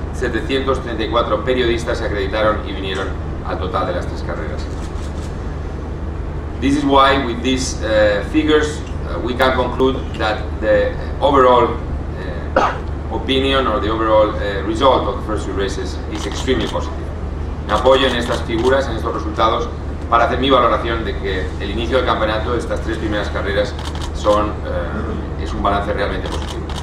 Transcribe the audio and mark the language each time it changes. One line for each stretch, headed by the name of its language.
Spanish: 734 periodistas se acreditaron y vinieron al total de las tres carreras.
English: This is why with these figures we can conclude that the overall opinion or the overall result of the first few races is extremely positive.
Spanish: Me apoyo en estas figuras, en estos resultados, para hacer mi valoración de que el inicio del campeonato, estas tres primeras carreras, es un balance realmente positivo.